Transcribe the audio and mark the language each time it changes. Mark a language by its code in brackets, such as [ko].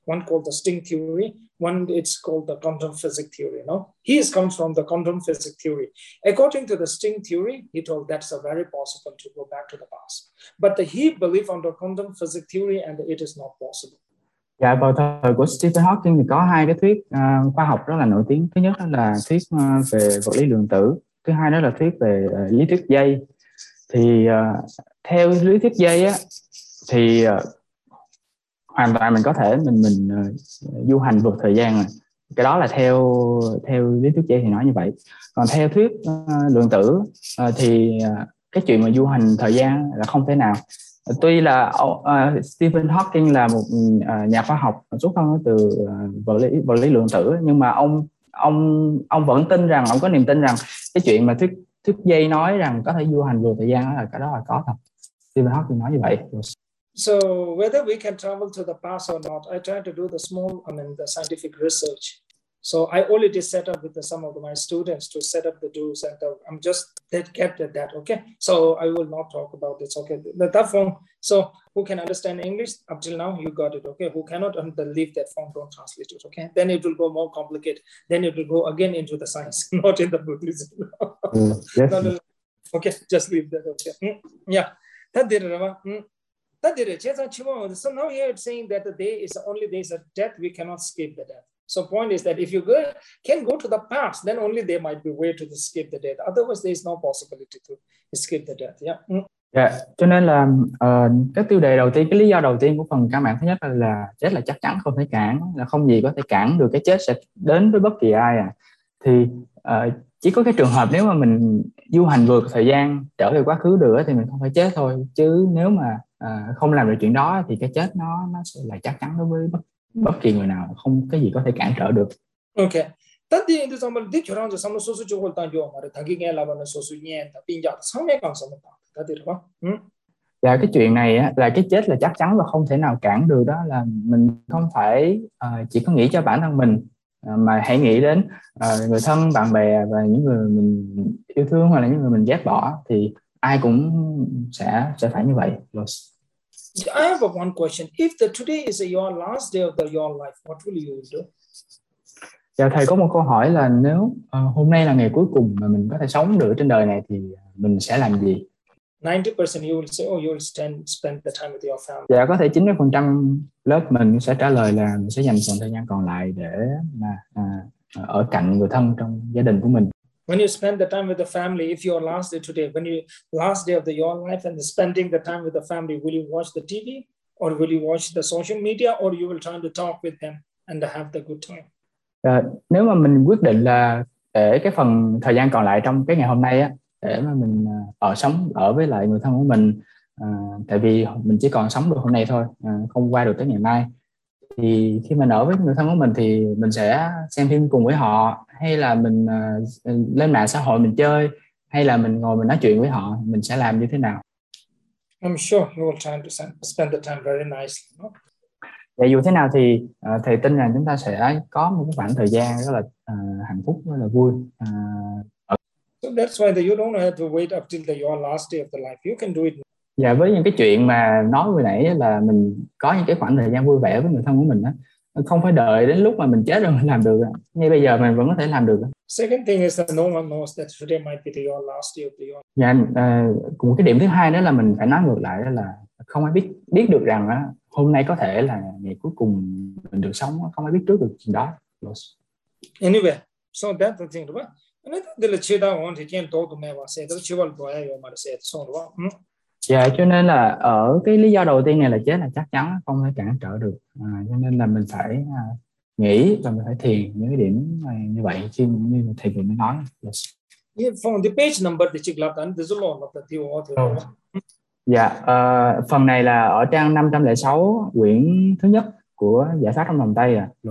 [en] One called the string theory, one it's called the quantum physics theory. No, he comes from the quantum physics theory. According to the string theory, he told that's a very possible to go back to the past. But he believed under quantum physics theory and it is not possible. [vi] Dạ, vào thời của Stephen Hawking thì có hai cái thuyết khoa học rất là nổi tiếng. Thứ nhất là thuyết về vật lý lượng tử. Thứ hai đó là thuyết về lý thuyết dây. Thì theo lý thuyết dây á, thì hoàn toàn mình có thể mình du hành vượt thời gian rồi. Cái đó là theo lý thuyết dây thì nói như vậy. Còn theo thuyết lượng tử thì cái chuyện mà du hành thời gian là không thể nào. Tuy là Stephen Hawking là một nhà khoa học xuất thân từ vật lý lượng tử, nhưng mà ông vẫn tin rằng, ông có niềm tin rằng cái chuyện mà thuyết dây nói rằng có thể du hành vượt thời gian đó là cái đó là có thật. Stephen Hawking nói như vậy. [en] So whether we can travel to the past or not, I try to do the small, I mean the scientific research. So I already set up with some of my students to set up the do's and I'm just that kept at that, okay? So I will not talk about this, okay? That form, so who can understand English? Up till now, you got it, okay? Who cannot leave that form, don't translate it, okay? Then it will go more complicated. Then it will go again into the science, not in the Buddhism. Mm, yes. No. Okay, just leave that, okay? Mm, yeah. That did it, Rama. That did it. So now here it's saying that the day is only there is a death, we cannot escape the death. So point is that if you can go to the past, then only there might be way to escape the death. Otherwise, there is no possibility to escape the death. Yeah. [vi] Cho nên là cái tiêu đề đầu tiên, cái lý do đầu tiên của phần căn bản thứ nhất là chết là chắc chắn không thể cản, là không gì có thể cản được cái chết sẽ đến với bất kỳ ai à. Thì chỉ có cái trường hợp nếu mà mình du hành vượt thời gian trở về quá khứ được thì mình không phải chết thôi, chứ nếu mà không làm được chuyện đó thì cái chết nó sẽ là chắc chắn đối với bất kỳ người nào, không cái gì có thể cản trở được. [en] Okay. Tati in the summer did you run the summer social jungle tan you are tagging a lava social yen, a pinja, some make on some of that. That is what? [vi] Là cái chuyện này á, là cái chết là chắc chắn và không thể nào cản được, đó là mình không phải chỉ có nghĩ cho bản thân mình, mà hãy nghĩ đến người thân, bạn bè và những người mình yêu thương hoặc là những người mình ghét bỏ, thì ai cũng sẽ phải như vậy. [en] I have one question. If the today is your last day of the, your life, what will you do? [vi] Dạ, thầy có một câu hỏi là nếu hôm nay là ngày cuối cùng mà mình có thể sống được trên đời này thì mình sẽ làm gì? [en] 90% you will say, oh, you will spend the time with your family. [vi] Dạ, có thể 90% lớp mình sẽ trả lời là mình sẽ dành phần thời gian còn lại để mà ở cạnh người thân trong gia đình của mình. [en] When you spend the time with the family, if your last day today, when you last day of the, your life and spending the time with the family, will you watch the TV or will you watch the social media or you will try to talk with them and have the good time? [vi] Nếu mà mình quyết định là để cái phần thời gian còn lại trong cái ngày hôm nay á, để mà mình ở với lại người thân của mình, tại vì mình chỉ còn sống được hôm nay thôi, không qua được tới ngày mai, thì khi mình ở với người thân của mình thì mình sẽ xem phim cùng với họ, hay là mình lên mạng xã hội mình chơi, hay là mình ngồi mình nói chuyện với họ, mình sẽ làm như thế nào? [en] I'm sure you will try to spend the time very nicely. No? [vi] Và dù thế nào thì thầy tin rằng chúng ta sẽ có một khoảng thời gian rất là hạnh phúc, rất là vui. [en] So that's why the, you don't have to wait up till the, your last day of the life. You can do it. [vi] Và với những cái chuyện mà nói vừa nãy là mình có những cái khoảng thời gian vui vẻ với người thân của mình đó, không phải đợi đến lúc mà mình chết rồi mình làm được, ngay bây giờ mình vẫn có thể làm được. [en] Second thing is that no one knows that today might be the, your last day of the, your. [vi] Cũng cái điểm thứ hai đó là mình phải nói ngược lại, đó là không ai biết biết được rằng hôm nay có thể là ngày cuối cùng mình được sống, không ai biết trước được chuyện đó. [en] Anyway, so that's the thing, right? And I thought the lechida won't again talk to me about say the chival boy you might say so wrong. [vi] Dạ, cho nên là ở cái lý do đầu tiên này là chết là chắc chắn không thể cản trở được, cho nên là mình phải nghĩ và mình phải thiền những cái điểm này như vậy khi như thầy vừa mới nói. [en] From the page number that you got done, there's a lot of the author. [vi] Phần này là ở trang 506, quyển thứ nhất của Giả Sát Trong Lòng Tay à.